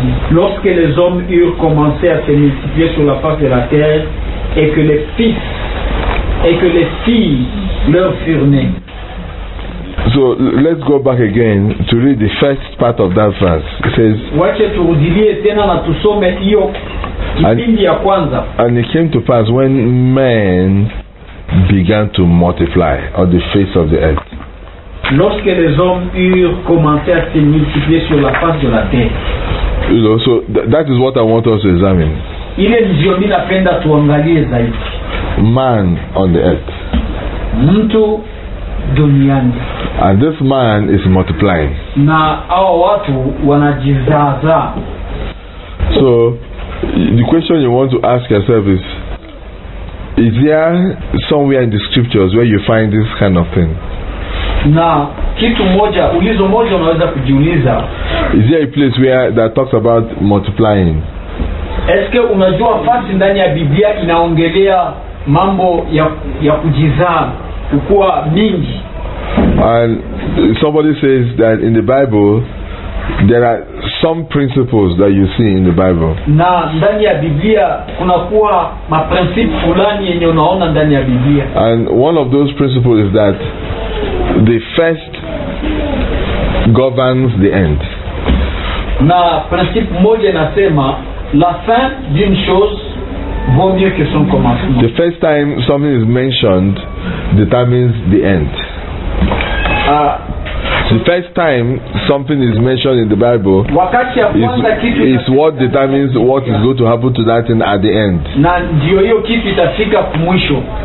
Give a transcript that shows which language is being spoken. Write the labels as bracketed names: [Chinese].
[French] Lorsque les hommes eurent commencé à se multiplier sur la face de la terre et que les fils et que les filles leur furent nés. [English] So let's go back again to read the first part of that verse. It says, [Swahili] wache turudilie tena na tusome hiyo kipindi ya kwanza. [English] And it came to pass when men began to multiply on the face of the earth. [French] Lorsque les hommes eurent commencé à se multiplier sur la face de la terre. [English] You know, so that is what I want us to examine. [Swahili] Ile ndio mimi napenda tuangalie zaidi. [English] Man on the earth. [Swahili] Mtu duniani. [English] And this man is multiplying. [Swahili] Na hao watu wanajizaza. [English] So the question you want to ask yourself is, is there somewhere in the scriptures where you find this kind of thing? [Swahili] Na kitu moja, ulizo moja unaweza kujiuliza. [English] Is there a place where that talks about multiplying? [Swahili] Eske unajua fasi ndani ya Biblia inaongelea mambo ya kujizaa, kukua mingi? [English] And somebody says that in the Bible there are some principles that you see in the Bible. [Swahili] Na ndani ya Biblia kuna kuwa maprincipe fulani yenye unaona ndani ya Biblia. [English] And one of those principles is that the first governs the end. [Swahili] Na principe moja nasema [French] la fin d'une chose vaut mieux que son commencement. [English] The first time something is mentioned determines the end. The first time something is mentioned in the Bible is what determines what is going to happen to that thing at the end. [Swahili] Na ndio hiyo kitu itafika kumwisho.